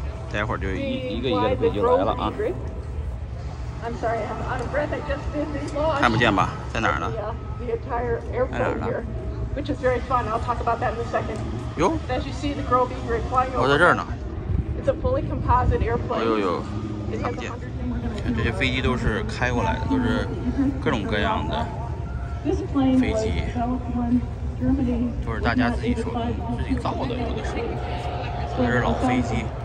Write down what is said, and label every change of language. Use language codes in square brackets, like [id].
[zh] 待会儿就一个的飞机来了啊。 [en] I'm sorry, I'm out of breath. I just did these laws. [zh] 看不见吧？在哪儿呢？ [en] The entire airport here, which is very fun. I'll talk about that in a second. 哟。 As you see, the Grow Bee Grid flying over. [zh] 我在这儿呢。 [en] It's a fully composite airplane. [zh] 哟。看不见。这些飞机都是开过来的，都是各种各样的飞机，都是大家自己手自己造的，有的是，都是老飞机。